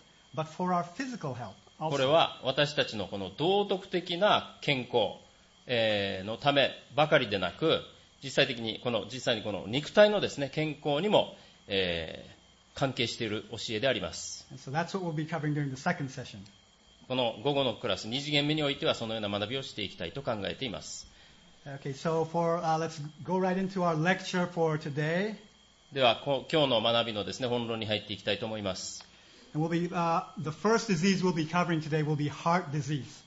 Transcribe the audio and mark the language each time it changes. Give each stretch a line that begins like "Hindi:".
Japanese: これは私たちのこの道徳的な健康のためばかりでなく、実際にこの肉体のですね、健康にも関係している教えであります。
English: So that's what we'll be covering during the second session.
Japanese: この午後のクラス2次元目においてはそのような学びをしていきたいと考えています。
English: Okay, so for, let's go right into our lecture for today.
Japanese: では今日の学びのですね、本論に入っていきたいと思います。
English: And we'll be, the first disease we'll be covering today will be heart disease.